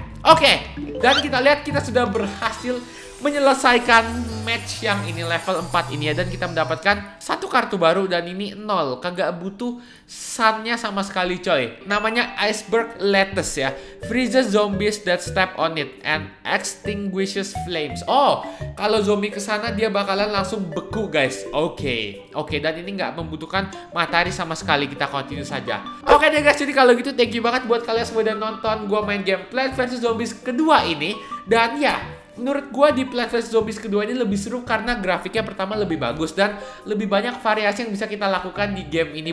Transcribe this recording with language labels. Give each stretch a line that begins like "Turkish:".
Indonesian: Oke, dan kita lihat kita sudah berhasil menyelesaikan match yang ini level 4 ini ya. Dan kita mendapatkan satu kartu baru dan ini 0. Kagak butuh sunnya sama sekali coy. Namanya Iceberg Lettuce ya.
English: Freezes zombies that step on it and extinguishes flames.
Indonesian: Oh, kalau zombie kesana dia bakalan langsung beku guys. Oke, dan ini nggak membutuhkan matahari sama sekali. Kita continue saja. Oke deh guys, jadi kalau gitu
English: thank you
Indonesian: banget buat kalian semua udah nonton gua main game Plants vs Zombies kedua ini. Dan ya, menurut gue di Plants vs Zombies kedua ini lebih seru karena grafiknya pertama lebih bagus dan lebih banyak variasi yang bisa kita lakukan di game ini.